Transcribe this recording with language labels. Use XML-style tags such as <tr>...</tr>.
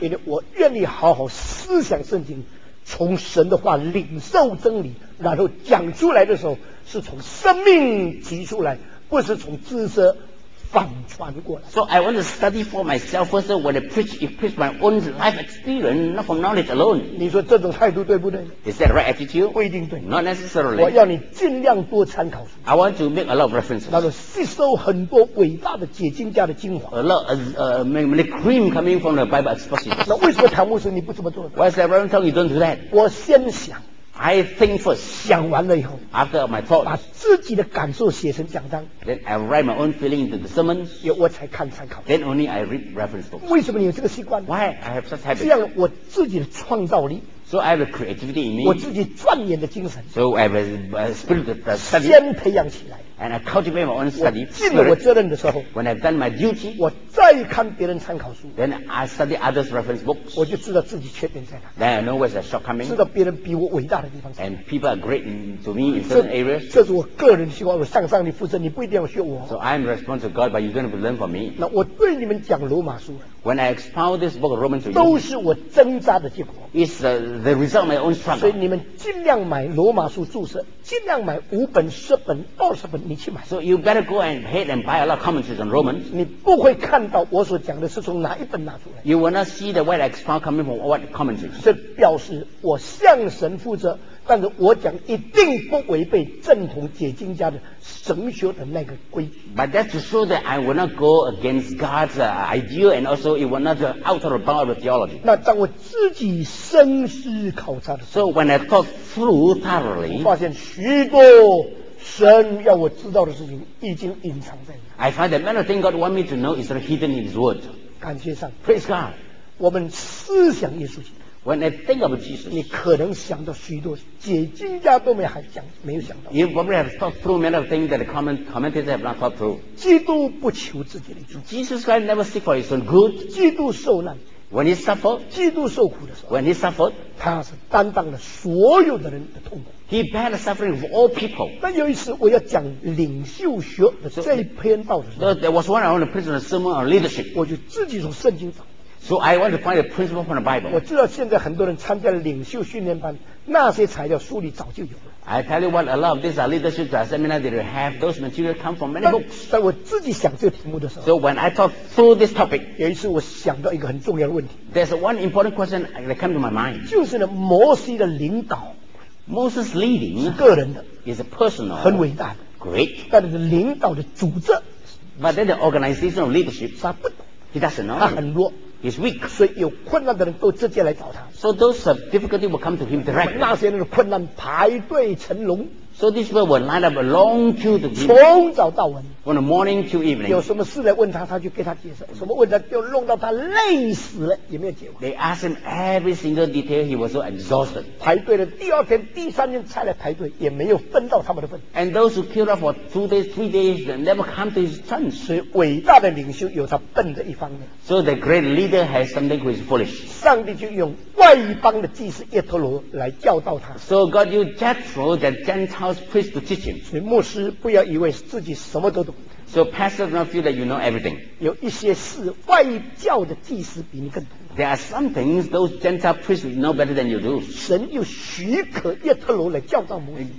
<zh>因为我愿意好好思想圣经。从神的话领受真理然后讲出来的时候是从生命提出来不是从知识反传过来</zh> <en>So I want to study for myself first when I preach it preach my own life experience not from knowledge alone</en> <zh>你说这种态度对不对</zh> <en>Is that right attitude?</en> <zh>不一定对</zh> <en>Not necessarily</en> <zh>我要你尽量多参考书</zh> <en>I want to make a lot of references</en> <zh>然后吸收很多伟大的解经家的精华</zh> <en>A lot of the cream coming from the Bible expositions</en> <zh>那为什么谭牧师你不这么做</zh> <en>Why is that Reverend Tong you don't do that?</en> <zh>我先想</zh> <en>I think first.</en> <zh>想完了以后</zh> <en>After my thoughts.</en> <zh>把自己的感受写成讲章</zh> <en>Then I write my own feeling into the sermons.</en> <zh>我才看参考</zh> <en>Then only I read reference books.</en> <zh>为什么你有这个习惯</zh> <en>Why I have such habits?</en> <zh>这样我自己的创造力</zh> <en>So I have a creativity in me.</en> <zh>我自己钻研的精神</zh> <en>So I have a spirit of study.</en> <zh>先培养起来</zh> <en>And I cultivate my own study.</en> <zh>尽了我责任的时候</zh> <en>When I've done my duty.</en> <zh>我再看别人参考书</zh> <en>Then I study others reference books.</en> <zh>我就知道自己缺点在哪</zh> <en>Then I know where's the shortcoming.</en> <zh>知道别人比我伟大的地方</zh> <en>And people are great to me in certain areas.</en> <zh>这是我个人希望我向上帝负责你不一定要学我</zh> <en>So I'm responsible to God but you don't have to learn from me.</en> <zh>那我对你们讲罗马书</zh> <en>When I expound this book of Romans to you.</en> <zh>都是我挣扎的结果</zh> <en>It's the result of my own struggle.</en> <zh>所以你们尽量买罗马书注释尽量买五本十本二十本你去买</zh> <en>So you better go ahead and buy a lot of commentaries on Romans.</en> <zh>你不会看到我所讲的是从哪一本拿出来</zh> <en>You will not see the word expound coming from what commentaries.</en> <zh>这表示我向神负责但是我讲一定不违背正统解经家的神学的那个规矩</zh> <en>But that's to show that I will not go against God's idea and also it will not out of the bound of the theology</en> <zh>那当我自己深思考察的时候</zh> <en>So when I thought through thoroughly</en> <zh>发现许多神要我知道的事情已经隐藏在那</zh> <en>I find that many things God wants me to know is hidden in His word</en> <zh>感谢上</zh> <en>Praise God</en> <zh>我们思想耶稣基督。</zh> <en>When I think of Jesus,</en> <zh>你可能想到许多解经家都没还想没有想到。</zh> <en>You probably have thought through many of the things that the commentators have not thought through.</en> <zh>基督不求自己的益处。</zh> <en>Jesus Christ never seek for his own good.</en> <zh>基督受难。</zh> <en>When he suffered,</en> <zh>基督受苦的时候。</zh> <en>When he suffered,</en> <zh>他是担当了所有的人的痛苦。</zh> <en>He bear the suffering of all people.</en> <zh>那有一次我要讲领袖学的这一篇道的时候。</zh> <en>So, there was one I want to preach on a sermon on leadership.</en> <zh>我就自己从圣经找。</zh> <en>So I want to find a principle from the Bible.</en> <zh>我知道现在很多人参加了领袖训练班，那些材料书里早就有了。</zh> <en>I tell you what, a lot of these are leadership seminars that have those materials come from many books.</en> <zh>但我自己想这个题目的时候</zh> <en>，So when I talk through this topic,</en> <zh>有一次我想到一个很重要的问题。</zh> <en>There's one important question that came to my mind.</en> <zh>就是呢，摩西的领导</zh> <en>，Moses leading</en> <zh>是个人的</zh> <en>，is a personal</en> <zh>很伟大</zh> <en>，great，</en> <zh>但是领导的组织</zh> <en>，but then the organization of leadership,</en> <zh>他不</zh> <en>，he doesn't know,</en> <zh>他很弱。</zh> <en>He's weak.</en> <zh>所以有困难的人都直接来找他。</zh> <en>So those have difficulty will come to him directly.</en> <zh>那些人的困难排队成龙。</zh> <en>So these people will line up a long queue to him.</en> <zh>从早到晚。</zh> <en>From the morning to evening.</en> <zh>有什么事来问他，他就给他解释。什么问题就弄到他累死了，也没有结果。</zh> <en>They ask him every single detail. He was so exhausted.</en> <zh>排队的第二天、第三天才来排队，也没有分到他们的份。</zh> <en>And those who queued up for two days, three days, they never come to his turn.</en> <zh>所以伟大的领袖有他笨的一方面。</zh> <en>So the great leader has something which is foolish.</en> <zh>上帝就用外邦的祭司耶陀罗来教导他。</zh> <en>So God used Jethro, the Gentile priest, to teach him.</en> <zh>所以牧师不要以为自己什么都懂。</zh> <en>So pastors don't feel that you know everything.</en> <zh>有一些事外教的祭司比你更懂。</zh> <en>There are some things those Gentile priests know better than you do.</en> <zh>神又许可耶陀罗来教导摩西。</zh>